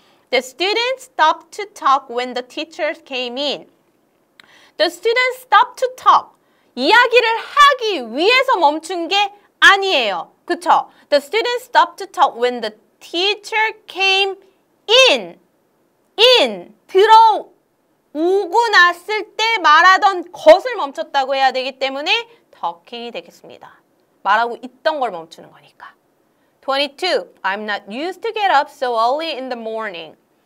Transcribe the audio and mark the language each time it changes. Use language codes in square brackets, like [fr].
[en] The students stopped to talk when the teachers came in. The students stopped to talk. [ko] 이야기를 하기 위해서 멈춘 게 아니에요. 그쵸? [en] The students stopped to talk when the teacher came in. In. [ko] 들어오고 났을 때 말하던 것을 멈췄다고 해야 되기 때문에 talking이 되겠습니다. 말하고 있던 걸 멈추는 거니까. 22. [en] I'm not used to get up so early in the morning.